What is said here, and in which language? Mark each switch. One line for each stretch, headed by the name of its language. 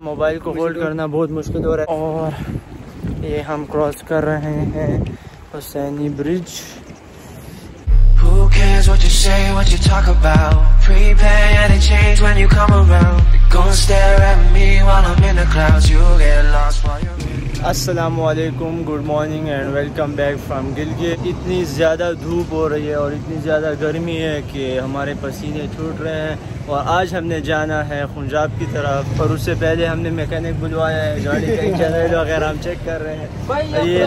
Hindi: Mobile को hold करना बहुत मुश्किल हो रहा है। और ये हम क्रॉस कर रहे हैं Husaini bridge.
English: Who cares what you say, what you talk about? Prepare any change when you come around. Go and stare at me while I'm in the clouds. You'll get lost while you're... अस्सलामु अलैकुम, good morning and welcome back from Gilgit.
Hindi: इतनी ज़्यादा धूप हो रही है और इतनी ज़्यादा गर्मी है कि हमारे पसीने छूट रहे हैं। और आज हमने जाना है खुंजाब की तरफ, पर उससे पहले हमने मैकेनिक बुलवाया है, गाड़ी का इंजन वगैरह हम चेक कर रहे हैं।